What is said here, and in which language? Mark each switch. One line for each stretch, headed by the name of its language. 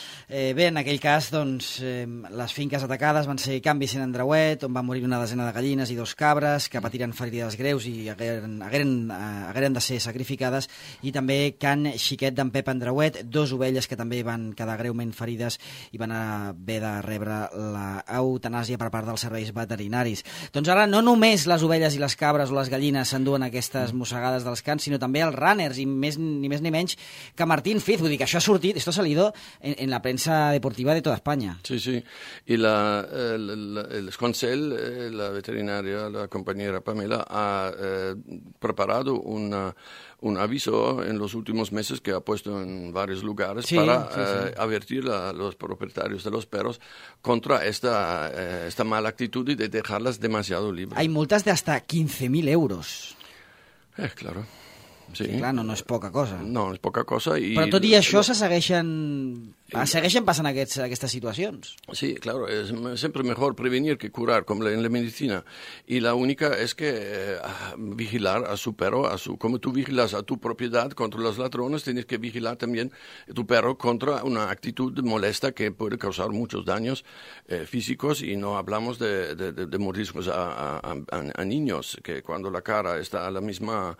Catalan: Bé, en aquell cas, doncs, les finques atacades van ser Can Vicent Andreuet, on va morir una desena de gallines i dos cabres que patiren ferides greus i hagueren de ser sacrificades, i també Can Xiquet d'en Pep Andreuet, dos ovelles que també van quedar greument ferides i van haver de rebre l'eutanàsia per part dels serveis veterinaris. Doncs ara no només les ovelles i les cabres o les gallines s'enduen aquestes mossegades dels cans, sinó també els runners, i més, ni més ni menys que Martín Fiz. Vull dir que això ha sortit,
Spanish: esto ha salido en la prensa deportiva de toda España. Sí, sí.
Catalan: I el consell, la veterinària, la companyera
Spanish: Pamela, ha preparado un aviso en los últimos meses que ha puesto en varios lugares para advertir a los propietarios de los perros contra esta mala actitud de dejarlas demasiado libres. Hay multas de hasta 15.000 euros. Claro. Sí. Claro, no es poca cosa. No, no es poca cosa. Y
Catalan: però tot i això, segueixen passant aquestes situacions.
Spanish: Sí, claro, es siempre mejor prevenir que curar, como en la medicina. Y la única es que vigilar a su perro, como tú vigilas a tu propiedad contra los ladrones, tienes que vigilar también a tu perro contra una actitud molesta que puede causar muchos daños físicos, y no hablamos de mordiscos a niños, que cuando la cara está a la misma